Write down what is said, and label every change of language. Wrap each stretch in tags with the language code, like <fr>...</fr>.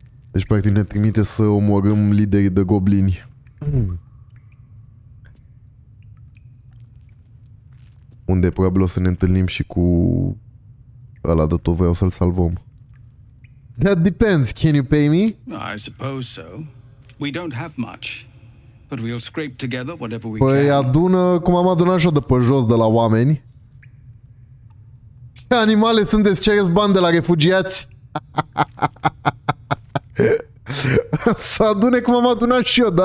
<ro>Deci, practic, ne trimite să omorâm liderii de goblini. Unde probabil o să ne întâlnim și cu ăla de tot voiau să-l salvăm.</ro> <en>That depends. Can you pay me? I suppose so. We don't have much, but we'll scrape together whatever we</en> <ro>păi</ro> <en>can.</en> <ro>Adună cum am adunat așa de pe jos de la oameni. Ce animale sunteți? Cereți bani de la refugiați? Să adune cum am adunat și eu, da?</ro>